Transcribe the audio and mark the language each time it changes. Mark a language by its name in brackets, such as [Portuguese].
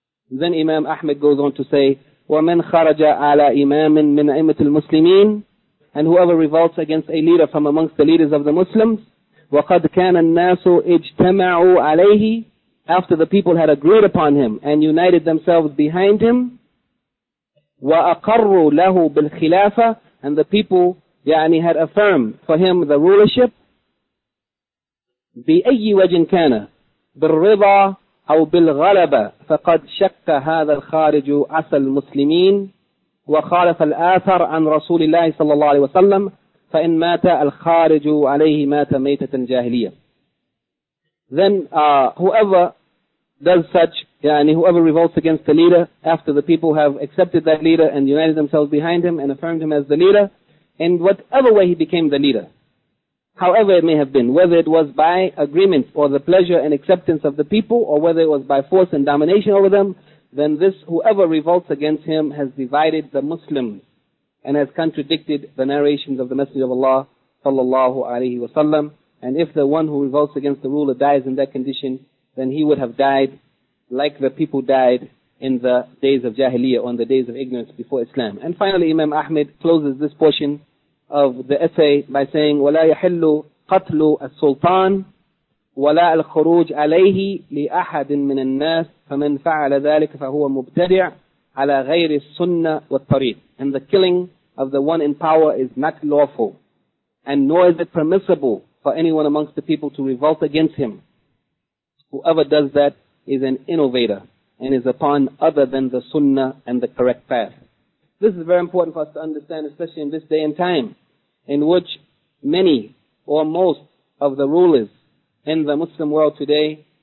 [English] Then Imam Ahmed goes on to say, [Arabic] وَمَنْ خَرَجَ عَلَىٰ إِمَامٍ مِنْ أَئِمَةِ الْمُسْلِمِينَ. [English] And whoever revolts against a leader from amongst the leaders of the Muslims, [Arabic] وَقَدْ كَانَ النَّاسُ اجْتَمَعُوا عَلَيْهِ. [English] After the people had agreed upon him and united themselves behind him, [Arabic] وَأَقَرُّوا لَهُ بِالْخِلَافَةِ. [English] And the people, يعني, had affirmed for him the rulership, [Arabic] بِأَيِّ وَجْهٍ كَانَ بِالرِّضَى أَوْ بِالْغَلَبَةِ فَقَدْ شَكَّ هَذَا الْخَارِجُ عَسَى الْمُسْلِمِينَ وَخَالَفَ الْآثَرَ عَنْ رَسُولِ اللَّهِ صَلَّى اللَّهُ عَلَيْهِ وَسَلَّمَ فَإِنْ مَاتَ الْخَارِجُ عَلَيْهِ مَاتَ مَيْتَةً جَاهِلِيَةً. [English] Then whoever does such, yani whoever revolts against the leader after the people have accepted that leader and united themselves behind him and affirmed him as the leader, in whatever way he became the leader, however it may have been, whether it was by agreement or the pleasure and acceptance of the people, or whether it was by force and domination over them, then this whoever revolts against him has divided the Muslims and has contradicted the narrations of the Messenger of Allah sallallahu alayhi wa sallam. And if the one who revolts against the ruler dies in that condition, then he would have died like the people died in the days of Jahiliyyah, on the days of ignorance before Islam. And finally, Imam Ahmed closes this portion of the essay by saying, [Arabic] وَلَا يَحِلُّ قَتْلُ السُّلْطَانِ وَلَا الْخُرُوجِ عَلَيْهِ لِأَحَدٍ مِّنَ النَّاسِ فَمَنْ فَعَلَ ذَلِكَ فَهُوَ مُبْتَدِعُ عَلَىٰ غَيْرِ السُّنَّةِ وَالطَّرِيقِ. [English] And the killing of the one in power is not lawful, and nor is it permissible for anyone amongst the people to revolt against him. Whoever does that is an innovator and is upon other than the sunnah and the correct path. This is very important for us to understand, especially in this day and time, in which many or most of the rulers in the Muslim world today